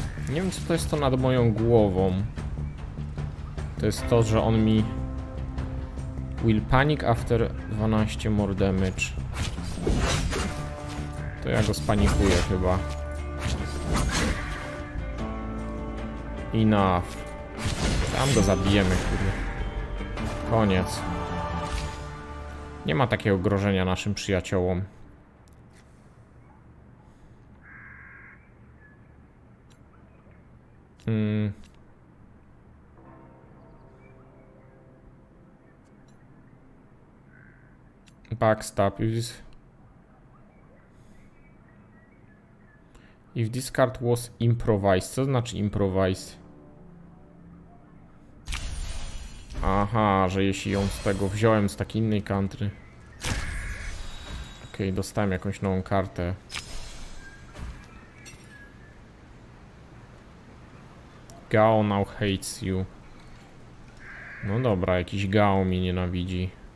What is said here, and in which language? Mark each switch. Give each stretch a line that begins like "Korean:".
Polish: Nie wiem, co to jest to nad moją głową. To jest to, że on mi...
English: Will panic after 12 more damage.
Polish: To ja go spanikuję chyba. Enough. Tam go zabijemy, kurde. Koniec. Nie ma takiego grożenia naszym przyjaciołom.
English: Backstab. If this card was improvised,
Polish: co znaczy
English: improvised?
Polish: Aha, że jeśli ją z tego wziąłem, z takiej innej country. Okej, okay, dostałem jakąś nową kartę.
English: Gao now hates you.
Polish: No dobra, jakiś Gao mi nienawidzi.